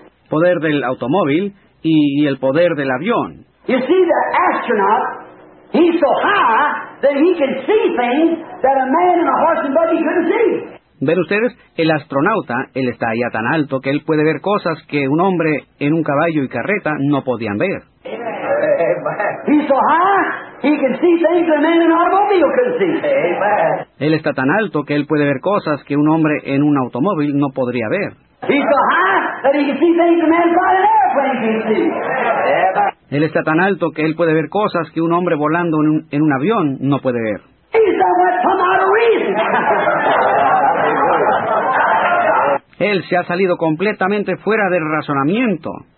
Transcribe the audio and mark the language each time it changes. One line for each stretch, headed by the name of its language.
Spanish: Poder del automóvil y el poder del avión.
English: You see, the astronaut, he's so high that he can see things that a man in a horse and buggy couldn't see.
Spanish: Ven ustedes, el astronauta, él está ya tan alto que él puede ver cosas que un hombre en un caballo y carreta no podían ver.
English: He's so high. He can see things that a man in an automobile can see. Amen.
Spanish: Él está tan alto que él puede ver cosas que un hombre en un automóvil no podría ver.
English: He's so high that he can see things that a man flying an airplane can see. Amen.
Spanish: Él está tan alto que él puede ver cosas que un hombre volando en un avión no puede ver.
English: He's so much from out of reason.
Spanish: Él se ha salido completamente fuera del razonamiento.